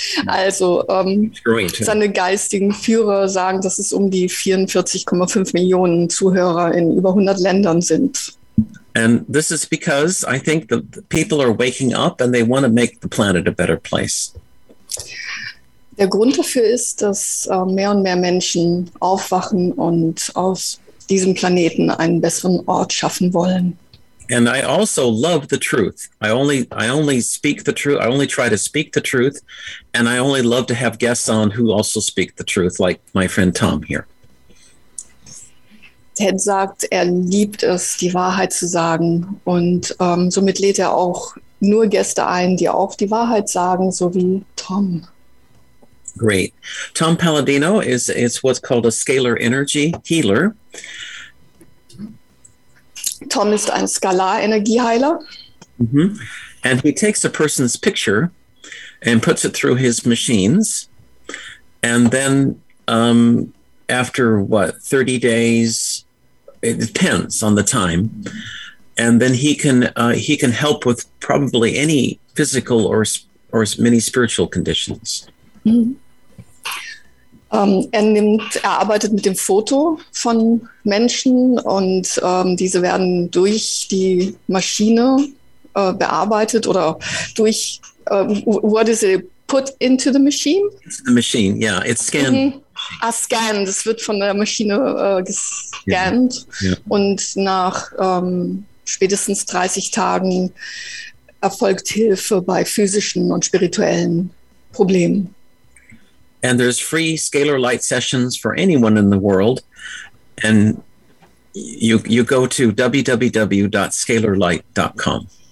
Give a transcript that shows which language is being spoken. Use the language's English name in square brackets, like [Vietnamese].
[German] Also, seine geistigen Führer sagen, dass es um die 44,5 Millionen Zuhörer in über 100 Ländern sind. [English] And this is because I think the people are waking up and they want to make the planet a better place. [German] Der Grund dafür ist, dass mehr und mehr Menschen aufwachen und aus diesem Planeten einen besseren Ort schaffen wollen. [English] And I also love the truth. I only speak the truth. I only try to speak the truth. And I only love to have guests on who also speak the truth, like my friend Tom here. [German] Ted sagt, er liebt es, die Wahrheit zu sagen. Und somit lädt er auch nur Gäste ein, die auch die Wahrheit sagen, so wie Tom. [English] Great. Tom Palladino is what's called a scalar energy healer. [German] Tom ist ein Skalarenergieheiler. Mm-hmm. [English] And he takes a person's picture and puts it through his machines. And then after, 30 days, it depends on the time. And then he can help with probably any physical or many spiritual conditions. Mm-hmm. [German] Er arbeitet mit dem Foto von Menschen und diese werden durch die Maschine bearbeitet oder durch, [English] what is it, put into the machine? It's the machine, yeah, it's scanned. Mm-hmm. [German] Scanned, es wird von der Maschine gescannt. [English] Yeah. Yeah. [German] Und nach spätestens 30 Tagen erfolgt Hilfe bei physischen und spirituellen Problemen. [English] And there's free scalar light sessions for anyone in the world. And you go to www.scalarlight.com.